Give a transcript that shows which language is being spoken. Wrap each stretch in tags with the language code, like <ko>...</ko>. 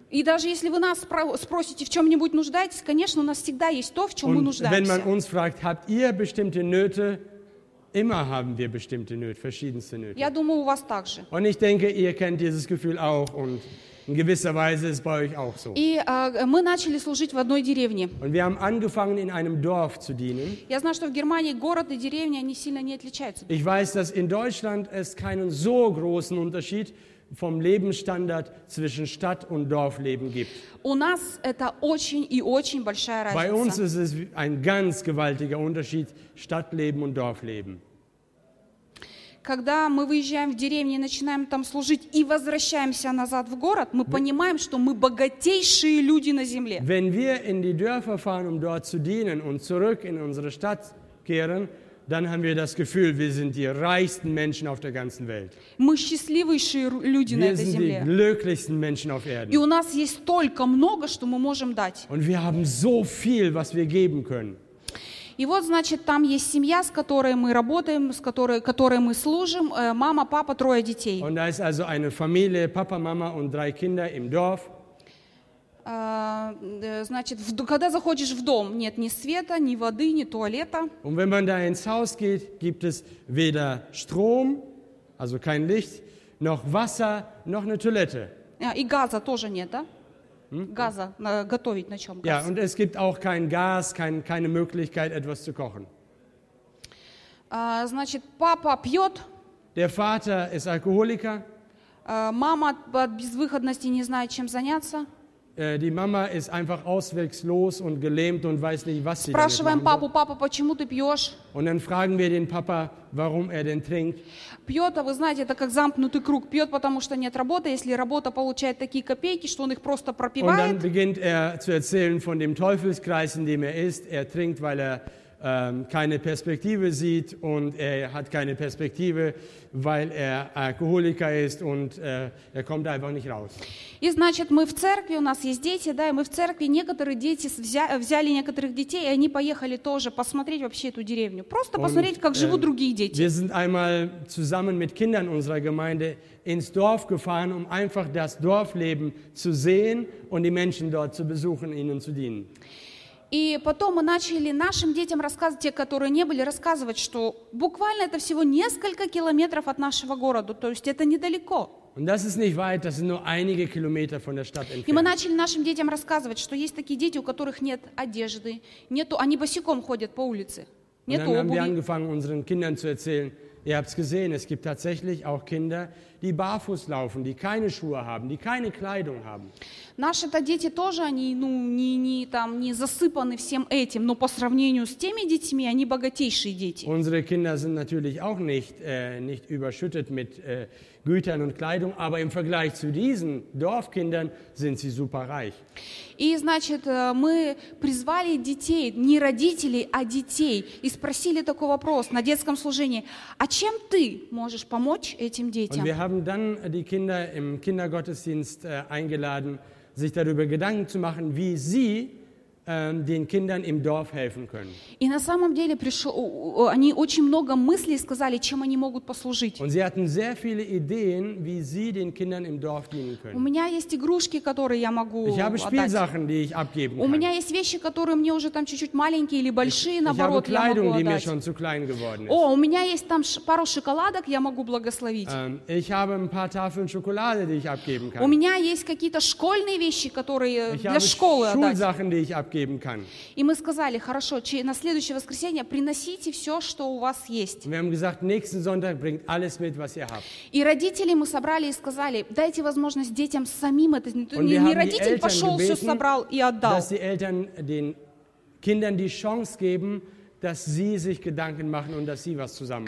<ru>И даже если вы нас спросите, в чем-нибудь нуждаетесь, конечно, у нас всегда есть то, в чем</ru> <de>und</de> <ru>мы нуждаемся.</ru> <de>Wenn man uns fragt, habt ihr bestimmte Nöte? Immer haben wir bestimmte Nöte, verschiedenste Nöte.</de> <ru>Я думаю, у вас так же.</ru> <de>Und ich denke, ihr kennt dieses Gefühl auch und in gewisser Weise ist es bei euch auch so.</de> <ru>И мы начали служить в одной деревне.</ru> <de>Und wir haben angefangen, in einem Dorf zu dienen.</de> <ru>Я знаю, что в Германии город и деревня, они сильно не отличаются.</ru> <de>Ich weiß, dass in Deutschland es keinen so großen Unterschied vom Lebensstandard zwischen Stadt- und Dorfleben gibt.</de> <ru>У нас это очень и очень большая разница.</ru> <de>Bei uns ist es ein ganz gewaltiger Unterschied, Stadtleben und Dorfleben.</de> <ru>Когда мы выезжаем в деревню и начинаем там служить и возвращаемся назад в город, мы понимаем, что мы богатейшие люди на земле.</ru> <de>Wenn wir in die Dörfer fahren, um dort zu dienen und zurück in unsere Stadt kehren, dann haben wir das Gefühl, wir sind die reichsten Menschen auf der ganzen Welt. Wir sind die glücklichsten Menschen auf Erden. Und wir haben so viel, was wir geben können.</de> <ru>И вот, значит, там есть семья, с которой мы работаем, с которой, которой мы служим, мама, папа, трое детей.</ru> <de>Und da ist also eine Familie, Papa, Mama und drei Kinder im Dorf.</de> <ru>Значит, когда заходишь в дом, нет ни света, ни воды, ни туалета.</ru> <de>Und wenn man da ins Haus geht, gibt es weder Strom, also kein Licht, noch Wasser, noch eine Toilette.</de> <ru>Ja, и газа тоже нет, да? Газа, готовить на чем?</ru> <de>Ja, und es gibt auch kein Gas, keine Möglichkeit, etwas zu kochen.</de> <ru>Значит, папа пьет.</ru> <de>Der Vater ist Alkoholiker.</de> <ru>Мама от безвыходности не знает, чем заняться.</ru> <de>Die Mama ist einfach ausweglos und gelähmt und weiß nicht, was sie damit machen soll.</de> <ru>Папа, почему ты пьешь?</ru> <de>Und dann fragen wir den Papa, warum er denn trinkt.</de> <ru>Пьет, а вы знаете, это как замкнутый круг. Пьет, потому что нет работы. Если работа получает такие копейки, что он их просто пропивает.</ru> <de>Und dann beginnt er zu erzählen von dem Teufelskreis, in dem er ist. Er trinkt, weil er keine Perspektive sieht und er hat keine Perspektive, weil er Alkoholiker ist und er kommt einfach nicht raus.</de> <ru>И значит, мы в церкви, у нас есть дети, да, и мы в церкви, некоторые дети взяли некоторых детей, и они поехали тоже посмотреть вообще эту деревню, просто посмотреть, как живут другие дети.</ru> <de>Wir sind einmal zusammen mit Kindern unserer Gemeinde ins Dorf gefahren, um einfach das Dorfleben zu sehen und die Menschen dort zu besuchen, ihnen zu dienen.</de> <ru>И потом мы начали нашим детям рассказывать, те, которые не были, рассказывать, что буквально это всего несколько километров от нашего города, то есть это недалеко.</ru> <de>Und das ist nicht weit, das sind nur einige Kilometer von der Stadt entfernt.</de> <ru>И мы начали нашим детям рассказывать, что есть такие дети, у которых нет одежды, нету, они босиком ходят по улице, нету обуви.</ru> <de>Und dann haben wir angefangen, unseren Kindern zu erzählen, ihr habt es gesehen, es gibt tatsächlich auch Kinder, die barfuß laufen, die keine Schuhe haben, die keine Kleidung haben.</de> <ru>Наши-то дети тоже, они, ну, не засыпаны всем этим, но по сравнению с теми детьми, они богатейшие дети.</ru> <de>Unsere Kinder sind natürlich auch nicht überschüttet mit Gütern und Kleidung, aber im Vergleich zu diesen Dorfkindern sind sie super reich.</de> <ru>И, значит, мы призвали детей, не родителей, а детей, и спросили такой вопрос на детском служении: а чем ты можешь помочь этим детям?</ru> <de>Wir haben dann die Kinder im Kindergottesdienst eingeladen, sich darüber Gedanken zu machen, wie sie den Kindern im Dorf helfen können.</de> <ru>И на самом деле пришло, они очень много мыслей сказали, чем они могут послужить.</ru> <de>Und sie hatten sehr viele Ideen, wie sie den Kindern im Dorf dienen können.</de> <ru>У меня есть игрушки, которые я могу отдать.</ru> <de>Ich habe Spielsachen, die ich abgeben kann.</de> <ru>У меня есть вещи, которые мне уже там чуть-чуть маленькие или большие, наоборот, я могу отдать.</ru> <de>Ich habe Kleidung, die mir schon zu klein geworden ist.</de> <ru>О, у меня есть там пару шоколадок, я могу благословить.</ru> <de>Ich habe ein paar Tafeln Schokolade, die ich abgeben kann.</de> <ru>У меня есть какие-то школьные вещи, которые для школы отдать.</ru> <de>Ich habe Schulsachen, die ich abgeben.</de> <ru>И мы сказали: хорошо, на следующее воскресенье приносите все, что у вас есть.</ru> <de>Wir haben gesagt, nächsten Sonntag bringt alles mit, was ihr habt.</de> <ru>И родители мы собрали и сказали: дайте возможность детям самим это.</ru> <de>Und</de> <ru>не родитель пошел,</ru> <de>gebeten,</de> <ru>все собрал и отдал.</ru> <de>Dass die Eltern den Kindern die Chance geben, dass sie sich Gedanken machen und dass sie was zusammenbringen.</de>